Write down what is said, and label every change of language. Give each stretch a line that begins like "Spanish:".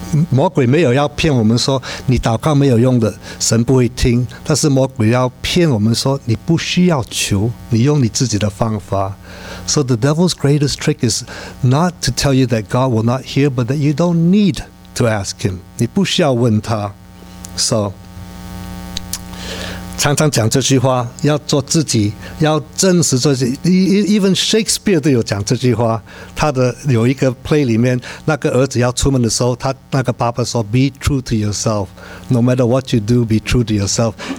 Chinese: 魔鬼没有要骗我们说你祷告没有用的，神不会听。但是魔鬼要骗我们说你不需要求，你用你自己的方法。
English: So the devil's greatest trick is not to tell you that God will not hear, but that you don't need to ask Him.
Chinese: 你不需要问他。 So 常常讲这句话，要做自己，要真实做自己。 Even Shakespeare 都有讲这句话。他的有一个 play 里面，那个儿子要出门的时候，他那个爸爸说 ：
English: “Be true to yourself, no matter what you do, be true to yourself。”